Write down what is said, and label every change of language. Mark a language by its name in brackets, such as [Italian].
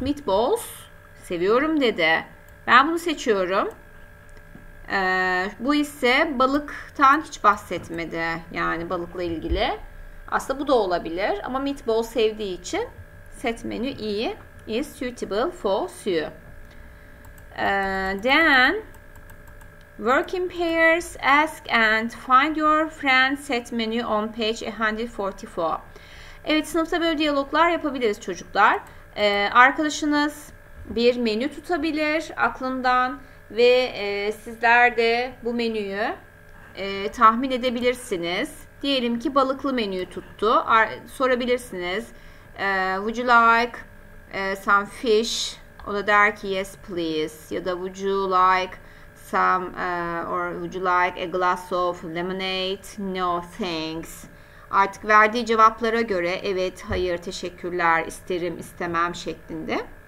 [Turkish] Meatballs seviyorum dedi. Ben bunu seçiyorum. Bu ise balıktan hiç bahsetmedi. Yani balıkla ilgili. Aslında bu da olabilir. Ama meatball sevdiği için [English] set menu E is suitable for Sue. Then work in pairs, ask and find your friend set menu on page 144. [Turkish] Evet, sınıfta böyle diyaloglar yapabiliriz çocuklar. Arkadaşınız bir menü tutabilir aklından ve sizler de bu menüyü tahmin edebilirsiniz. Diyelim ki balıklı menüyü tuttu. Sorabilirsiniz. [English] Would you like some fish? [Turkish] O da der ki [English] yes please. [Turkish] Ya da [English] would you like some or would you like a glass of lemonade? No thanks. [Turkish] Artık verdiği cevaplara göre evet, hayır, teşekkürler, isterim, istemem şeklinde.